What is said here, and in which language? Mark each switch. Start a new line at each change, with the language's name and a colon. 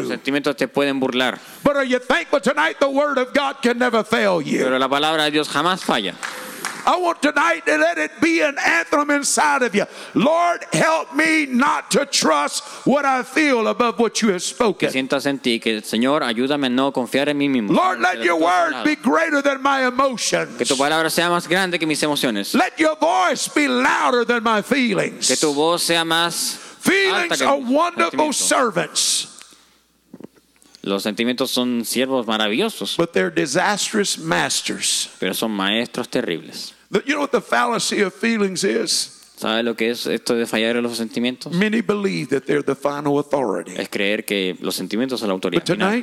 Spanish: Los sentimientos te pueden burlar.
English: But are you thankful tonight the word of God can never fail you?
Spanish: Pero la palabra de Dios jamás falla.
English: I want tonight to let it be an anthem inside of you. Lord, help me not to trust what I feel above what you have spoken.
Spanish: Que sientas en ti, que Señor, ayúdame no confiar en mí mismo.
English: Lord, let your word be greater than my emotions.
Spanish: Que tu palabra sea más grande que mis emociones.
English: Let your voice be louder than my feelings.
Spanish: Que tu voz sea más.
English: Feelings are wonderful servants.
Spanish: Los sentimientos son siervos maravillosos.
English: But they're disastrous masters.
Spanish: Pero son maestros terribles.
English: You know what the fallacy of feelings is?
Spanish: ¿Sabe lo que es esto de fallar en los sentimientos?
English: Many believe that they're the final authority.
Spanish: Es creer que los sentimientos son la autoridad final.